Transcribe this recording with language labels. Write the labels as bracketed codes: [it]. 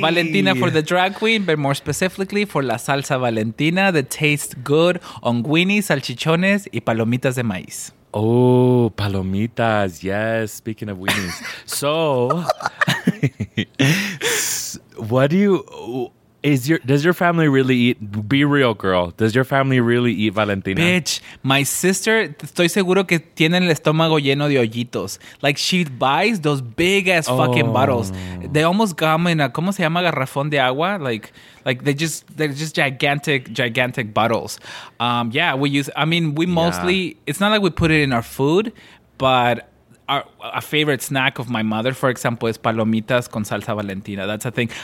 [en] Valentina for the drag queen, but more specifically for [es] la salsa Valentina [en] that tastes good on guini, [es] salchichones, y palomitas de maíz. [en] Oh, palomitas. Yes. Speaking of weenies. So, what do you, does your family really eat? Be real, girl. Does your family really eat Valentina? Bitch, my sister, [es] estoy seguro que tiene el estómago lleno de hoyitos. [en] Like, she buys those big ass fucking bottles. They almost come in a, [es] ¿cómo se llama? Garrafón de agua. [en] Like they're just gigantic bottles. It's not like we put it in our food, but a favorite snack of my mother, for example, is [es] palomitas con salsa Valentina. [en] That's a thing.